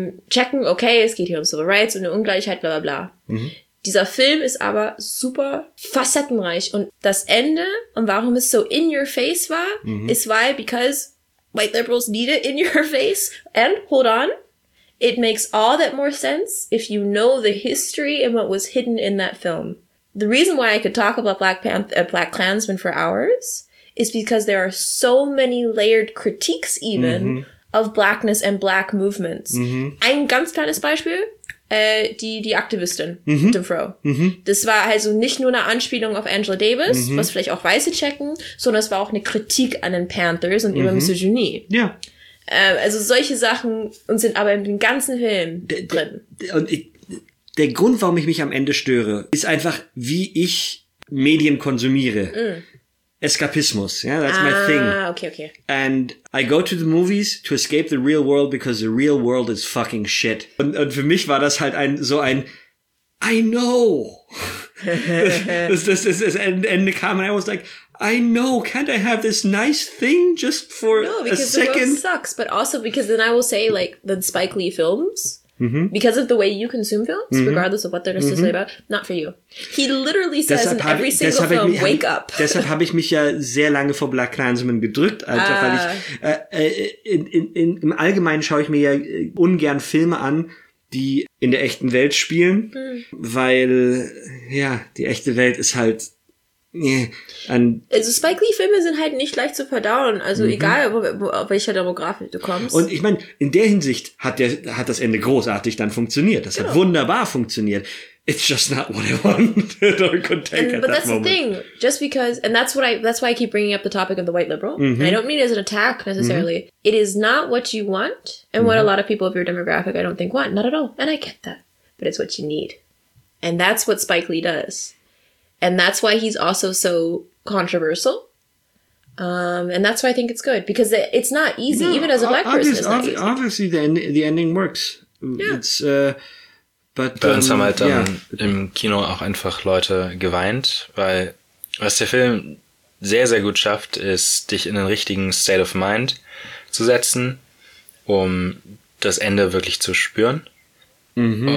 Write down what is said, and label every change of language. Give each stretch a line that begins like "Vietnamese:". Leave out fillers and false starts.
German: Checken, okay, es geht hier um Civil Rights und eine Ungleichheit, bla bla bla. Dieser Film ist aber super facettenreich und das Ende und warum es so
English: in your face
German: war, ist
English: why, because white liberals need it in your face and hold on. It makes all that more sense if you know the history and what was hidden in that film. The reason why I could talk about Black Klansman for hours is because there are so many layered critiques even of blackness and black movements.
German: Ein ganz kleines Beispiel, die Aktivistin, De Fro. Das war also nicht nur eine Anspielung auf Angela Davis, was vielleicht auch Weiße checken, sondern es war auch eine Kritik an den Panthers und über Misogynie. Ja. Also solche Sachen und sind aber in dem ganzen Film drin. Der Grund, warum ich mich am Ende störe, ist einfach, wie ich Medien konsumiere.
English: Eskapismus, yeah, that's my thing. Ah, okay. And I go to the movies to escape the real world because the real world is fucking shit.
German: Und für mich war das halt so ein
English: I know.
German: das Ende kam und
English: I was like, I know, can't I have this nice thing just for a second? No, because the world sucks, but also because then I will say, like, the Spike Lee films... Mm-hmm. Because of the way you consume films, mm-hmm. regardless of what they're necessarily mm-hmm. about, not for you. He literally says
German: deshalb
English: in every single film, mich, wake up.
German: Deshalb habe ich mich ja sehr lange vor Black Klansman gedrückt, also weil ich im Allgemeinen schaue ich mir ja ungern Filme an, die in der echten Welt spielen, weil ja, die echte Welt ist halt. Also Spike Lee-Filme sind halt nicht leicht zu verdauen, also egal, auf welcher Demografik du kommst. Und ich meine, in der Hinsicht hat das Ende großartig dann funktioniert. Das hat wunderbar funktioniert.
English: It's just not what I wanted or could take at that moment. But that's the thing, just because, and that's why I keep bringing up the topic of the white liberal. Mm-hmm. And I don't mean it as an attack necessarily. Mm-hmm. It is not what you want and mm-hmm. what a lot of people of your demographic, I don't think, want. Not at all. And I get that. But it's what you need. And that's what Spike Lee does. And that's why he's also so controversial. And that's why I think it's good. Because it's not easy, even as a black person. Obviously, the ending works. Yeah. It's,
German: bei uns haben halt im Kino auch einfach Leute geweint. Weil was der Film sehr, sehr gut schafft, ist, dich in den richtigen
English: State of Mind
German: zu setzen, um das Ende wirklich zu spüren. Mhm.